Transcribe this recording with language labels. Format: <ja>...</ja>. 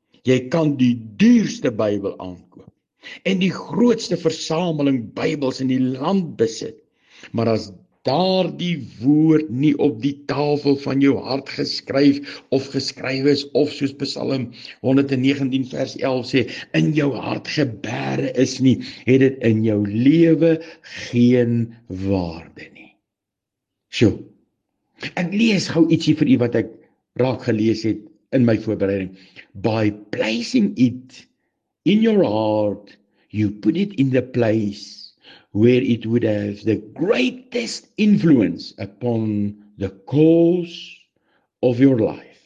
<af>Jy kan die duurste Bybel aankoop en die grootste versameling Bybels in die land besit, maar as daardie woord nie op die tafel van jou hart geskryf of geskryf is of soos Psalm 119 vers 11 sê, in jou hart gebere is nie, het dit in jou lewe geen waarde nie. So, ek lees gou ietsie vir u wat ek raak gelees het in my voorbereiding.</af> <en>By placing it in your heart, you put it in the place where it would have the greatest influence upon the course of your life.</en>